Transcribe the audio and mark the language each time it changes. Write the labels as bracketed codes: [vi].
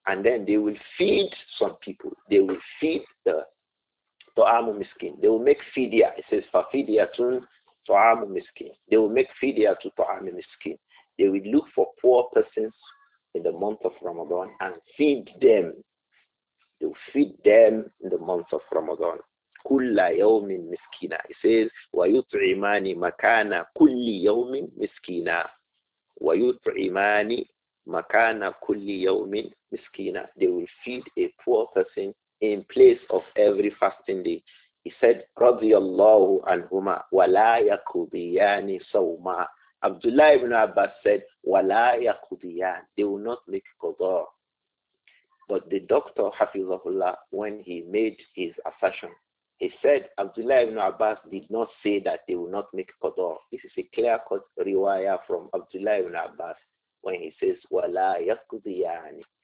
[en] And then they will feed some people. They will feed the [ar] to'amu miskin. [en] They will make fidya. It says, [ar] فَفِدْيَةٌ to'amu miskin. [en] They will make fidya to [ar] to'amu miskin. [en] They will look for poor persons in the month of Ramadan and feed them. They will feed them in the month of Ramadan. [ar] Kulla yawmin miskina. It says, وَيُطْعِمَانِ مَكَانَ كُلِّ يَوْمٍ مِسْكِينَ. وَيُطْعِمَانِ مَكَانَ كُلِّ يَوْمٍ مِسْكِينَ. [en] They will feed a poor person in place of every fasting day. He said, [ar] رَضِيَ اللَّهُ عَنْهُمَا وَلَا يَقُضِيَانِ صَوْمَا. [en] Abdullah ibn Abbas said, [ar] وَلَا يَقُضِيَانِ. [en] They will not make qadha. But the doctor, Hafizahullah, when he made his assertion, he said, Abdullah ibn Abbas did not say that they will not make qada. This is a clear-cut riwayah from Abdullah ibn Abbas when he says, [ar] وَلَا يَقْضِيَانِ.